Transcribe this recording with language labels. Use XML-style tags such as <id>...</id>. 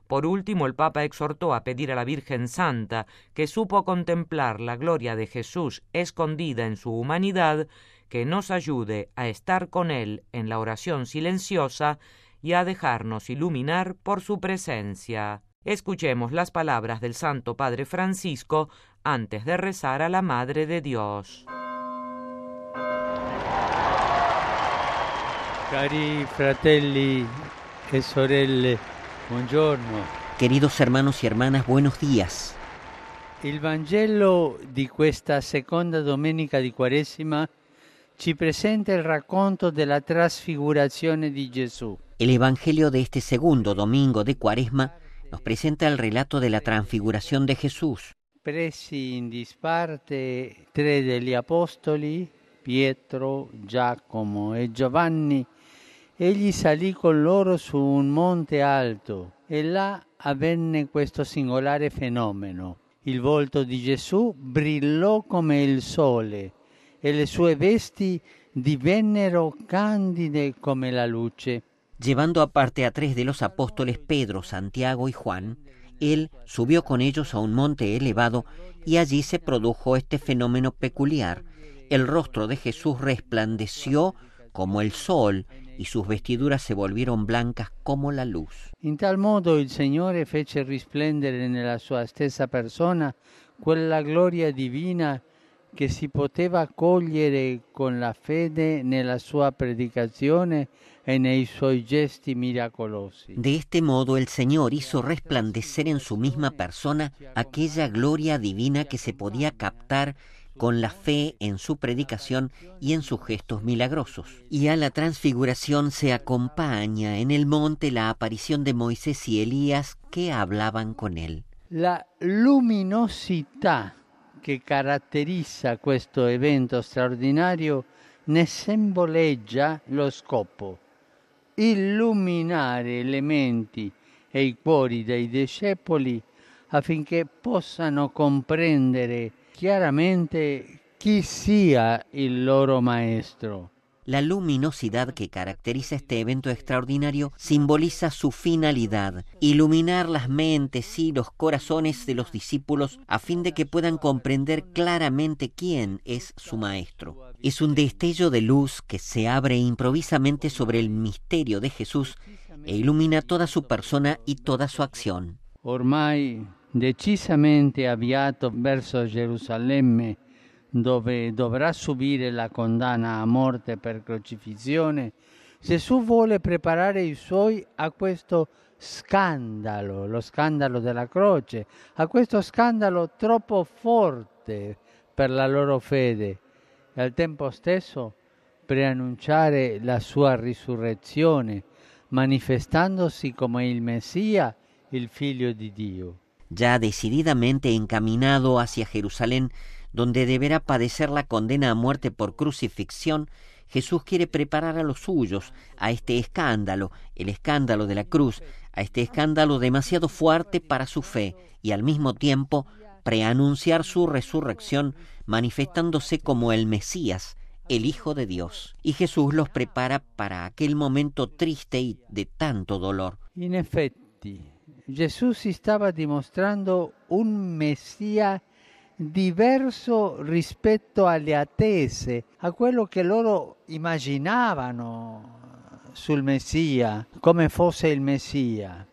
<es>Por último, el Papa exhortó a pedir a la Virgen Santa, que supo contemplar la gloria de Jesús escondida en su humanidad, que nos ayude a estar con Él en la oración silenciosa y a dejarnos iluminar por su presencia. Escuchemos las palabras del Santo Padre Francisco antes de rezar a la Madre de Dios.</es> <it>Cari fratelli e sorelle, buongiorno.</it> <es>Queridos hermanos y hermanas, buenos días.</es> <it>Il Vangelo di questa seconda domenica di Quaresima ci presenta il racconto della trasfigurazione di Gesù.</it> <es>El Evangelio de este segundo domingo de Cuaresma nos presenta el relato de la transfiguración de Jesús.</es> <it>Presi in disparte tre degli apostoli, Pietro, Giacomo e Giovanni, egli salì con loro su un monte alto e là avvenne questo singolare fenomeno. Il volto di Gesù brillò come il sole e le sue vesti divennero candide come la luce.</it> <es>Llevando aparte a tres de los apóstoles, Pedro, Santiago y Juan, él subió con ellos a un monte elevado y allí se produjo este fenómeno peculiar. El rostro de Jesús resplandeció como el sol y sus vestiduras se volvieron blancas como la luz.</es> <it>In tal modo il Signore fece risplendere nella sua stessa persona quella gloria divina che si poteva cogliere con la fede nella sua predicazione e nei suoi gesti miracolosi.</it> <es>De este modo el Señor hizo resplandecer en su misma persona aquella gloria divina que se podía captar con la fe en su predicación y en sus gestos milagrosos. Y a la transfiguración se acompaña en el monte la aparición de Moisés y Elías que hablaban con él.</es> <it>La luminosità che caratterizza questo evento straordinario ne simboleggia lo scopo: illuminare le menti e i cuori dei discepoli affinché possano comprendere chiaramente chi sia il loro maestro.</it> <es>La luminosidad que caracteriza este evento extraordinario simboliza su finalidad: iluminar las mentes y los corazones de los discípulos a fin de que puedan comprender claramente quién es su maestro. Es un destello de luz que se abre improvisamente sobre el misterio de Jesús e ilumina toda su persona y toda su acción.</es> <it>Ormai decisamente avviato verso Gerusalemme, dove dovrà subire la condanna a morte per crocifissione, Gesù vuole preparare i suoi a questo scandalo, lo scandalo della croce, a questo scandalo troppo forte per la loro fede, e al tempo stesso preannunciare la sua risurrezione, manifestandosi come il Messia, il Figlio di Dio. Già</it> <es>decididamente</es> <it>incamminato</it> <es>hacia Gerusalemme, donde deberá padecer la condena a muerte por crucifixión, Jesús quiere preparar a los suyos a este escándalo, el escándalo de la cruz, a este escándalo demasiado fuerte para su fe, y al mismo tiempo preanunciar su resurrección, manifestándose como el Mesías, el Hijo de Dios. Y Jesús los prepara para aquel momento triste y de tanto dolor. En efecto, Jesús estaba demostrando un Mesías diverso</es> <it>rispetto alle attese, a quello che loro immaginavano sul Messia, come fosse il Messia.</it>